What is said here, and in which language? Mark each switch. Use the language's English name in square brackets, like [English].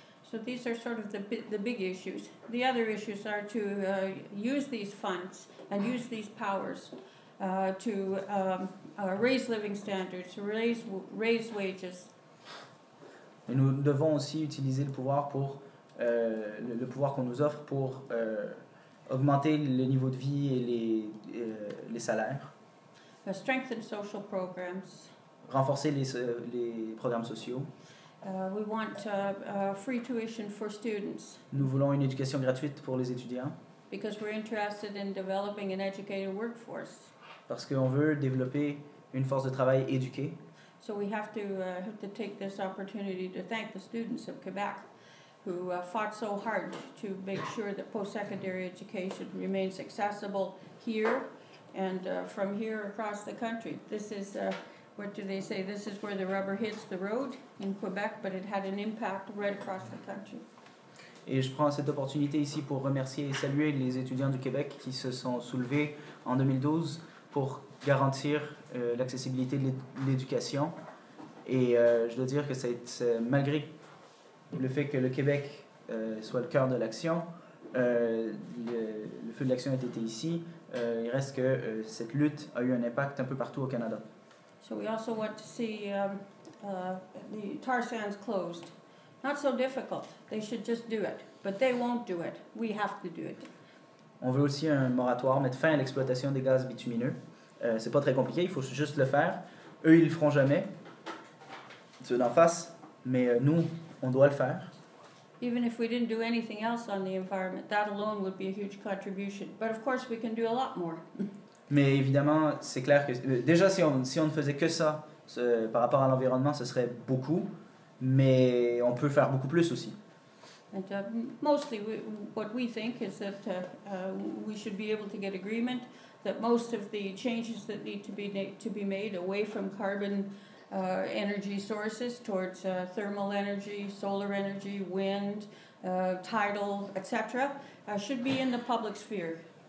[English] So these are sort of the big issues. The other issues are to use these funds and use these powers to raise living standards, raise wages. [French] Et nous devons aussi utiliser le pouvoir pour le pouvoir qu'on nous offre pour augmenter le niveau de vie et les salaires. [English] Strengthen social programs. [French] Renforcer les programmes sociaux. [English] We want free tuition for students. [French] Nous voulons une éducation gratuite pour les étudiants. [English] Because we're interested in developing an educated workforce. [French] Parce qu'on veut développer une force de travail éduquée. [English] So we have to take this opportunity to thank the students of Quebec who fought so hard to make sure that post-secondary education remains accessible here and from here across the country. This is what do they say? This is where the rubber hits the road in Quebec, but it had an impact right across the country. [French] Et je prends cette opportunité ici pour remercier et saluer les étudiants du Québec qui se sont soulevés en 2012 pour garantir l'accessibilité de l'éducation. Et je dois dire que c'est malgré le fait que le Québec soit le cœur de l'action, le feu de l'action a été ici, il reste que cette lutte a eu un impact un peu partout au Canada. [English] So we also want to see the tar sands closed. Not so difficult. They should just do it. But they won't do it. We have to do it. [French] On veut aussi un moratoire, mettre fin à l'exploitation des gaz bitumineux. C'est pas très compliqué, il faut juste le faire. Eux, ils le feront jamais. Ceux d'en face. Mais nous, on doit le faire. [English] Even if we didn't do anything else on the environment, that alone would be a huge contribution. But of course, we can do a lot more. [French] Mais évidemment, c'est clair que... Déjà, si on ne faisait que ça par rapport à l'environnement, ce serait beaucoup. Mais on peut faire beaucoup plus aussi. [English] And mostly what we think is that we should be able to get agreement that most of the changes that need to be made away from carbon energy sources towards thermal energy, solar energy, wind, tidal, etc., should be in the public sphere.